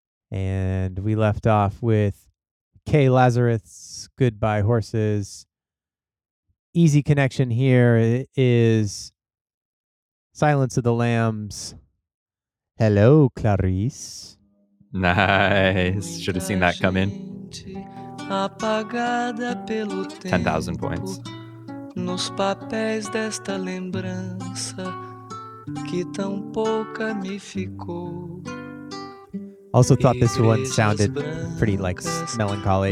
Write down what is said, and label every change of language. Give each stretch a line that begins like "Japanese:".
English: And we left off with Kay Lazarus' Goodbye Horses. Easy connection here is Silence of the Lambs. Hello, Clarice. Nice. Should have seen that come in. 10,000 points.
Portuguese: Nos papéis desta lembrança que tão pouca me ficou.
English: Also thought this one sounded pretty like melancholy.